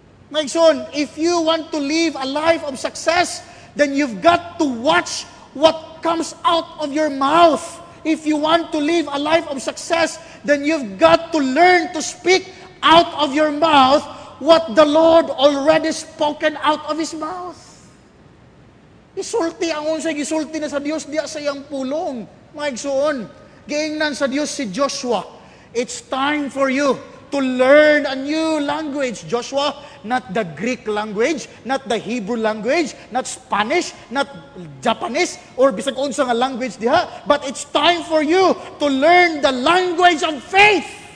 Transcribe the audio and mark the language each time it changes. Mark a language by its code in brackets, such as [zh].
[en] My son, if you want to live a life of success, then you've got to watch what comes out of your mouth. If you want to live a life of success, then you've got to learn to speak out of your mouth what the Lord already spoken out of His mouth. [ceb] Isulti ang unsay gisulti na sa Dios diya sa iyang pulong. [en] My son, [ceb] giingnan sa Dios [en] si Joshua, it's time for you to learn a new language, Joshua, not the Greek language, not the Hebrew language, not Spanish, not Japanese, or [ceb] bisag unsa nga [en] language diha, but it's time for you to learn the language of faith.